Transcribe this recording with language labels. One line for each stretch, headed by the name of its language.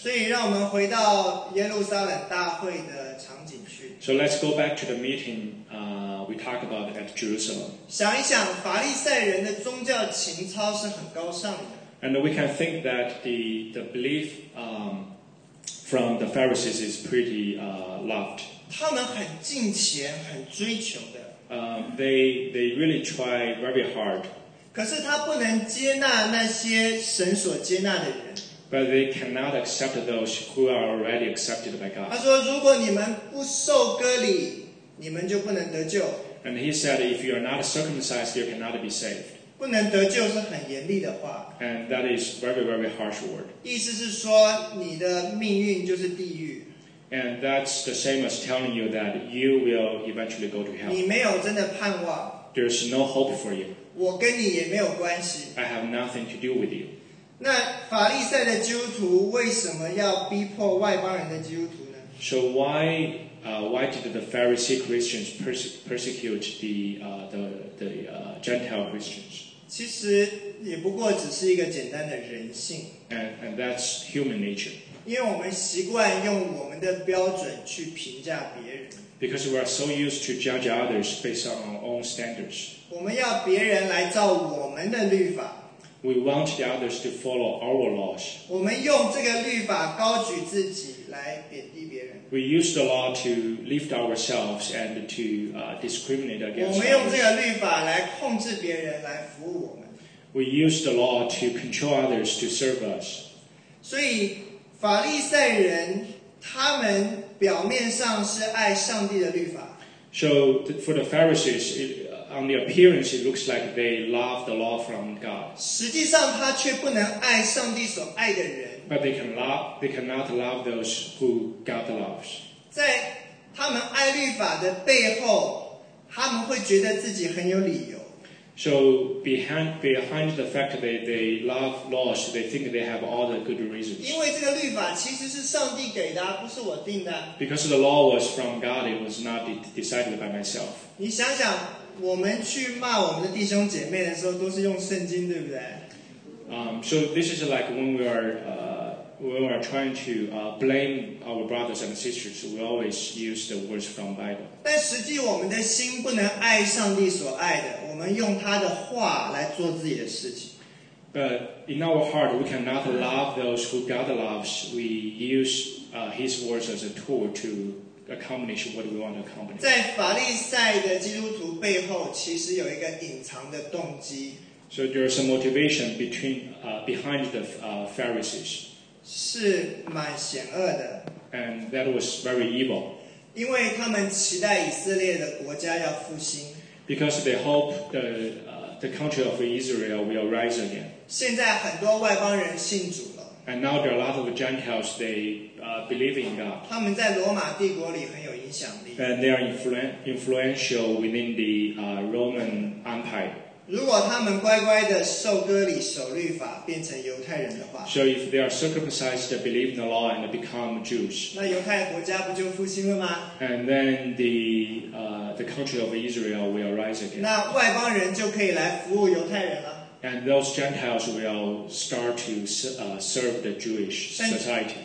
Chinese: 所以让我们回到耶路撒冷大会的场景去。
English: So let's go back to the meeting, we talked about at Jerusalem.
Chinese: 想一想，法利赛人的宗教情操是很高尚的。
English: And we can think that the belief from the Pharisees is pretty loved.
Chinese: 他们很敬虔，很追求的。
English: They really try very hard.
Chinese: 可是他不能接纳那些神所接纳的人。
English: But they cannot accept those who are already accepted by God.
Chinese: 他说，如果你们不受割礼，你们就不能得救。
English: And he said, if you are not circumcised, you cannot be saved.
Chinese: 不能得救是很严厉的话。
English: And that is very, very harsh word.
Chinese: 意思是说你的命运就是地狱。
English: And that's the same as telling you that you will eventually go to hell.
Chinese: 你没有真的盼望。
English: There's no hope for you.
Chinese: 我跟你也没有关系。
English: I have nothing to do with you.
Chinese: 那法利赛的基督徒为什么要逼迫外邦人的基督徒呢？
English: So why did the Pharisee Christians persecute the Gentile Christians?
Chinese: 其实也不过只是一个简单的人性。
English: And that's human nature.
Chinese: 因为我们习惯用我们的标准去评价别人。
English: Because we are so used to judge others based on our own standards.
Chinese: 我们要别人来照我们的律法。
English: We want the others to follow our laws.
Chinese: 我们用这个律法高举自己来贬低别人。
English: We use the law to lift ourselves and to discriminate against others.
Chinese: 我们用这个律法来控制别人，来服务我们。
English: We use the law to control others to serve us.
Chinese: 所以法利赛人他们表面上是爱上帝的律法。
English: So for the Pharisees, on the appearance, it looks like they love the law from God.
Chinese: 实际上他却不能爱上帝所爱的人。
English: But they cannot love those who God loves.
Chinese: 在他们爱律法的背后，他们会觉得自己很有理由。
English: So behind the fact that they love laws, they think they have all the good reasons.
Chinese: 因为这个律法其实是上帝给的，不是我定的。
English: Because the law was from God, it was not decided by myself.
Chinese: 你想想，我们去骂我们的弟兄姐妹的时候，都是用圣经，对不对？
English: So this is like when we are trying to blame our brothers and sisters, we always use the words from the Bible.
Chinese: 但实际我们的心不能爱上帝所爱的，我们用他的话来做自己的事情。
English: But in our heart, we cannot love those who God loves. We use his words as a tool to accomplish what we want to accomplish.
Chinese: 在法利赛的基督徒背后，其实有一个隐藏的动机。
English: So there is a motivation behind the Pharisees.
Chinese: 是蛮险恶的。
English: And that was very evil.
Chinese: 因为他们期待以色列的国家要复兴。
English: Because they hope the country of Israel will rise again.
Chinese: 现在很多外邦人信主了。
English: And now there are a lot of Gentiles, they believe in God.
Chinese: 他们在罗马帝国里很有影响力。
English: And they are influential within the Roman Empire.
Chinese: 如果他们乖乖的受割礼守律法变成犹太人的话，
English: So if they are circumcised to believe in the law and become Jews,
Chinese: 那犹太国家不就复兴了吗？
English: And then the country of Israel will rise again.
Chinese: 那外邦人就可以来服务犹太人了。
English: And those Gentiles will start to serve the Jewish society.